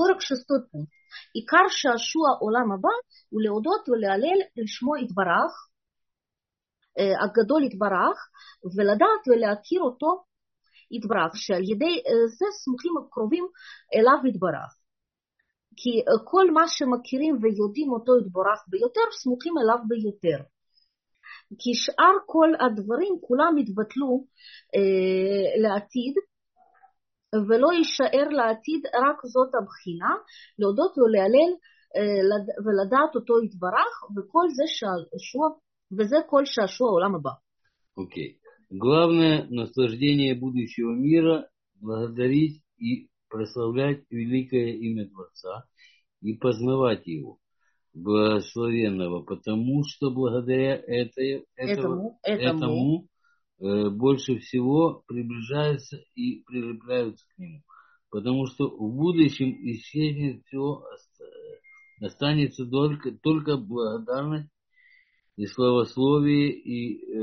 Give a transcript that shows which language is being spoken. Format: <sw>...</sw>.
<ru>46-й пункт.</ru> <he>Икар шашуа улам аба, улеудот вулеалель лишмо идбарах, агадоль идбарах, веладат вулеакир ото идбарах, шаль едей зе смухим кровим элав идбарах. Ки кол ма шемакирим ויודעים אותו יתברך ביותר, סמוכים אליו ביותר. כי שאר כל הדברים כולם יתבטלו לעתיד, ולא יישאר לעתיד רק זאת הבחינה, להודות לו להלל ולדעת אותו יתברך, וכל זה שעשוע, וזה כל שעשוע העולם הבא.</he> <ru>Окей. Главное наслаждение будущего мира благодарить и прославлять великое имя Творца и познавать его благословенного, потому что благодаря этому больше всего приближаются и прилепляются к нему, потому что в будущем исчезнет все, останется только благодарность и славословие и</ru>